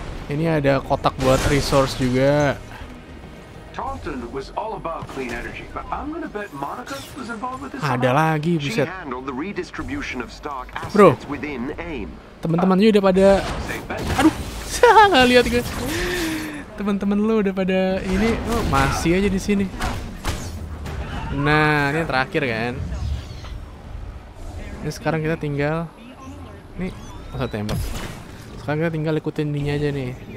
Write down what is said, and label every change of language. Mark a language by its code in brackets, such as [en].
[id] Ini ada kotak buat resource juga. [en] Taunton was all about clean energy, but I'm gonna bet Monica was involved with this. [id] Ada lagi, buset. [en] She handled the redistribution of stock assets within AIM. [id] Teman-temannya udah pada... Aduh, nggak lihat gue. Teman-teman lu udah pada ini, oh, masih aja di sini. Nah, ini terakhir kan? Ini sekarang kita tinggal... Ini... Masa tembak. Sekarang kita tinggal ikutin ini aja nih.